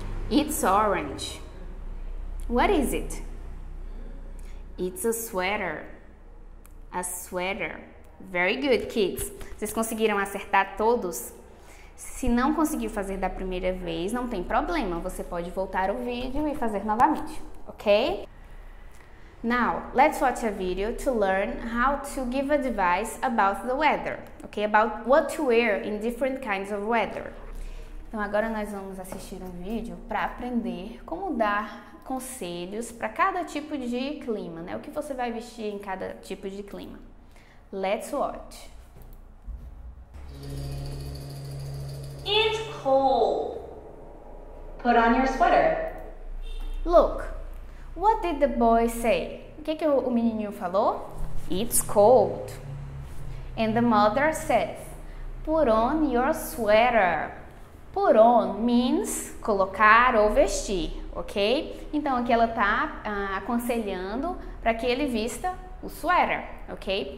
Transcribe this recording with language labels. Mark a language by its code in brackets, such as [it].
[en] It's orange. What is it? It's a sweater. A sweater. Very good, kids. [pt] Vocês conseguiram acertar todos? Se não conseguiu fazer da primeira vez, não tem problema. Você pode voltar o vídeo e fazer novamente. Ok? [en] Now, let's watch a video to learn how to give advice about the weather. Ok? About what to wear in different kinds of weather. [pt] Então, agora nós vamos assistir um vídeo para aprender como dar conselhos para cada tipo de clima, né? O que você vai vestir em cada tipo de clima. [en] Let's watch. It's cold. Put on your sweater. Look, what did the boy say? [pt] O que, que o menininho falou? [en] It's cold. And the mother says, put on your sweater. Put on means [pt] colocar ou vestir, [en] ok? [pt] Então, aqui ela está aconselhando para que ele vista o sweater, ok?